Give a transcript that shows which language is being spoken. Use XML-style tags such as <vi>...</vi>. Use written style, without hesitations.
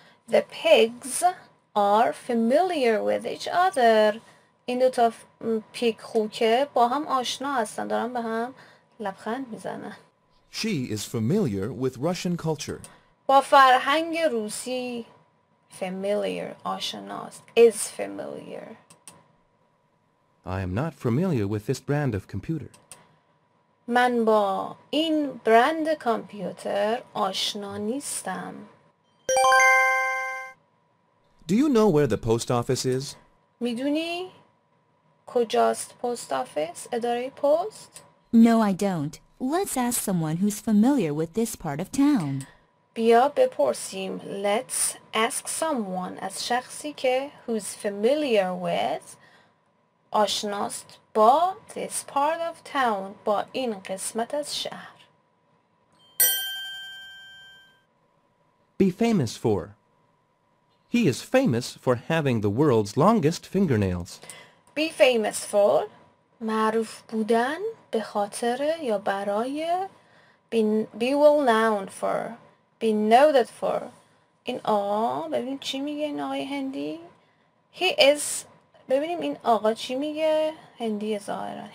<en>The pigs are familiar with each other.</en> <fa>این دو تا پیک خوکه با هم آشنا هستن, دارن به هم لبخند میزنن.</fa> <en>She is familiar with Russian culture.</en> <fa>با فرهنگ روسی familiar, آشناست.</fa> <en>Is familiar. I am not familiar with this brand of computer.</en> <fa>من با این برند کامپیوتر آشنا نیستم.</fa> <en>Do you know where the post office is?</en> <fa>میدونی کجاست پست آفیس؟ اداره پست؟</fa> <en>No, I don't. Let's ask someone who's familiar with this part of town.</en> <fa>بیا بپرسیم.</fa> <en>Let's ask someone</en> <fa>از شخصی که</fa> <en>who's familiar with</en> <fa>آشناست با</fa> <en>this part of town</en> <fa>با این قسمت از شهر.</fa> <en>Be famous for. He is famous for having the world's longest fingernails. Be famous for.</en> <fa>معروف بودن به خاطر یا برای.</fa> <en>Be well known for. Be noted for.</en> <fa>این آقا ببینیم چی میگه این آقای هندی.</fa> <en>He is.</en> <fa>ببینیم این آقا چی میگه هندی ظاهران.</fa>